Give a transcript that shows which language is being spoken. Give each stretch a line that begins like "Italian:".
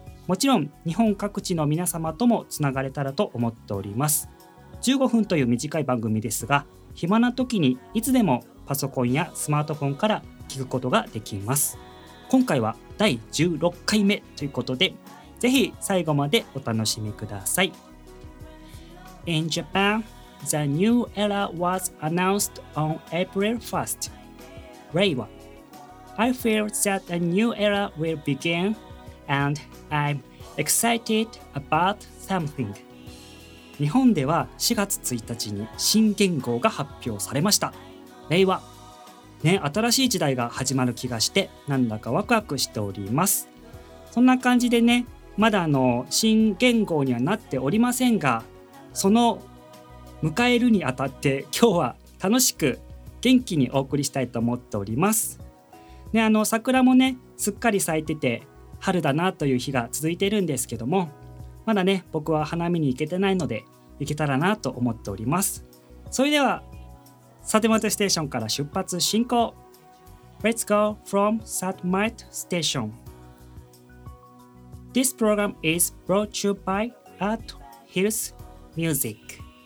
Japanese: もちろん日本各地の皆様ともつながれたらと思っております。 15分という短い番組ですが、暇な時にいつでもパソコンやスマートフォンから聞くことができます。今回は第16回目ということで、ぜひ最後までお楽しみください。
English: In Japan, the new era was announced on April 1st. Reiwa. I feel that a new era will begin, and I'm excited about something.
Japanese: 日本では4月1日に新元号が発表されました。 Reiwa. ね、新しい時代が始まる気がして、なんだかワクワクしております。そんな感じでね、まだ新元号にはなっておりませんが、その迎えるにあたって今日は楽しく元気にお送りしたいと思っております。ね、桜もねすっかり咲いてて、春だなという日が続いてるんですけども、まだね僕は花見に行けてないので、行けたらなと思っております。それではサテマイトステーションから出発進行。
English: Let's go from Satmite Station. This program is brought to you by Art Hills Music.